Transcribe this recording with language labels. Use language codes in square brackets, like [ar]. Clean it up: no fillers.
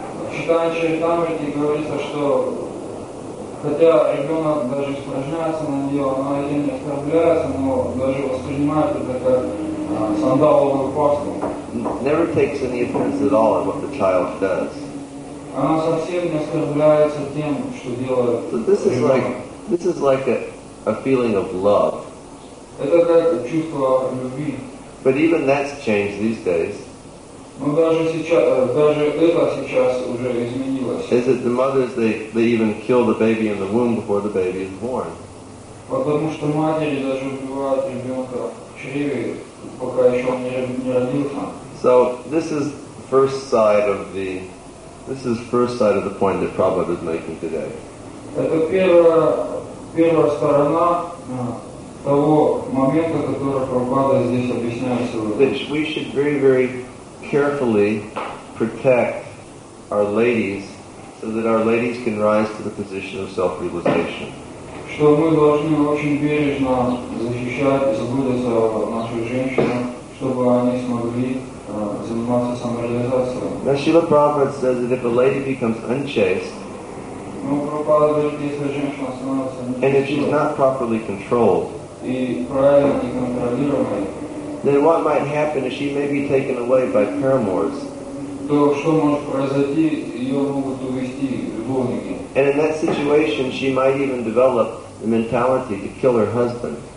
[ru] Chaitanya Charitamrita говорится, что хотя ребенок даже испражняется на нее, она ее не оскорбляется, но даже воспринимает это как сандаловую пасту. [en] Never takes any offense at all at what the child does. [ru] Она совсем не оскорбляется тем, что делает. [en] So this is like a feeling of love. [ru] Это как чувство любви. [en] But even that's changed these days. [ru] Но даже сейчас, даже это сейчас уже изменилось. [en] Is it the mothers, they even kill the baby in the womb before the baby is born? [ru] Потому что матери даже убивают ребенка в чреве, пока еще он не родился. [en] So this is first side of the point that Prabhupada is making today. [ru] Это первая сторона того момента, который Прабхупада здесь объясняет сегодня. [en] We should very carefully protect our ladies so that our ladies can rise to the position of self-realization. [ru] Что мы должны очень бережно защищать и заботиться о наших женщинах, чтобы они смогли заниматься самореализацией. [en] Now Srila Prabhupada says that if a lady becomes unchaste, and if she's not properly controlled, [ru] и правильно не контролируемой, [en] then what might happen is she may be taken away by paramours. And in that situation, she might even develop the mentality to kill her husband.